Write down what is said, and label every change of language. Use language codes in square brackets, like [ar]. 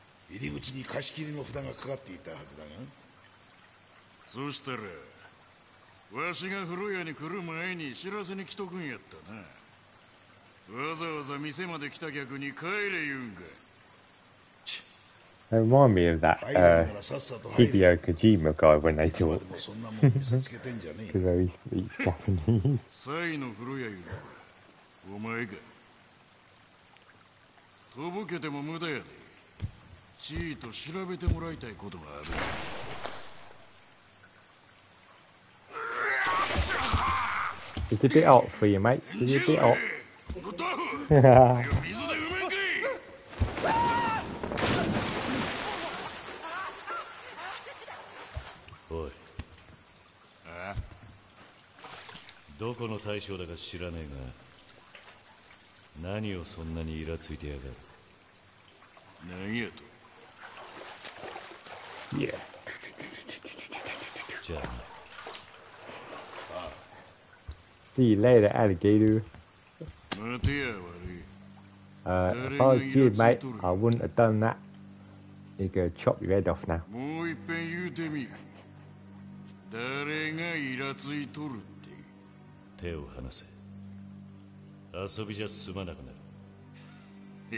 [ja] 入り口に貸し切りの札がかかっていたはずだが。そしたら、わしが風呂屋に来る前に知らせに来とくんやったな。わざわざ店まで来た客に帰れ言うんか。 [en] Remind me of that video Kojima guy when they talk. Because he speaks Japanese. [ja] Sai の風呂屋言うのはお前か。とぼけても無駄やで。チーと調べてもらいたいことがある。 [en] Is it a bit hot for you, mate? Is it a bit hot? [ja] 水で埋めんかい。おい、どこの大将だか知らねえが、何をそんなにイラついてやがる。何やと。いや、じゃあな。 [en] See you later, alligator. If I was you, mate, I wouldn't have done that. You're gonna chop your head off now. [ja] もう一遍言うてみ。誰がイラついとるって。手を離せ。遊びじゃ済まなくなる。